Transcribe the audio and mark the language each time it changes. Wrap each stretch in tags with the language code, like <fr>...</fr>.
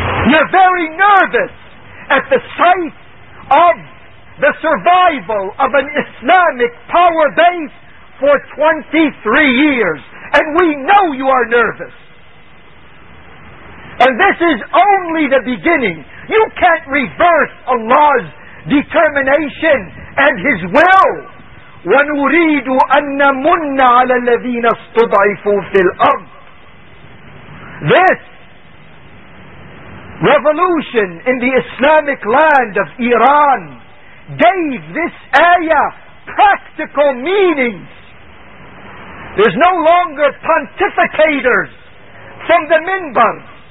<en>You're very nervous at the sight of the survival of an Islamic power base for 23 years. And we know you are nervous. And this is only the beginning. You can't reverse Allah's determination and His will.</en> <ar>وَنُرِيدُ أَنَّمُنَّ عَلَى الَّذِينَ اسْتُضْعِفُوا فِي الْأَرْضِ.</ar> <en>This revolution in the Islamic land of Iran gave this ayah practical meanings. There's no longer pontificators from the minbars.</en>